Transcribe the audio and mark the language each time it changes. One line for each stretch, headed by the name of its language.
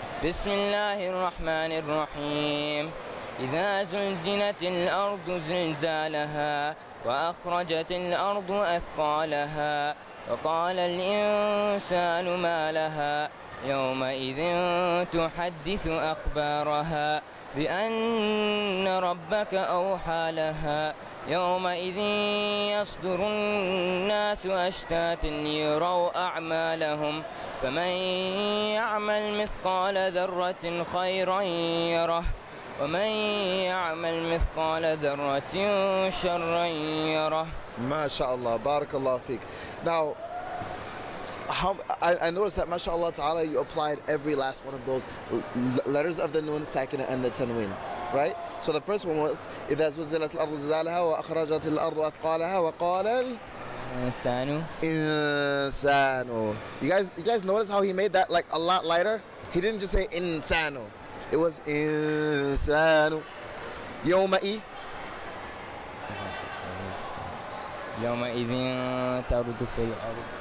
Arabic: بسم الله الرحمن الرحيم إذا زلزلت الأرض زلزالها وأخرجت الأرض أثقالها وقال الإنسان ما لها يومئذ تحدث أخبارها بأن ربك أوحى لها يومئذ يصدر الناس أشتاتا ليروا أعمالهم فمن يعمل مثقال ذرة خيرا يره ومن يعمل مثقال ذرة شرا يره. ما شاء الله بارك الله فيك.
English: Now, I noticed that mashallah ta'ala, you applied every last one of those letters of the noon, sakina, and the tanween, right? So the first one was,
Arabic: إِذَا زُلْزِلَتْ الْأَرْضُ زَلْزَالَهَا وَأَخْرَجَتِ الْأَرْضُ أَثْقَالَهَا وَقَالَ Insanu. Insanu.
English: You guys notice how he made that like a lot lighter? He didn't just say insanu. It was insanu. Yoma'i.
Arabic: يوم إذ تعرض في الأرض.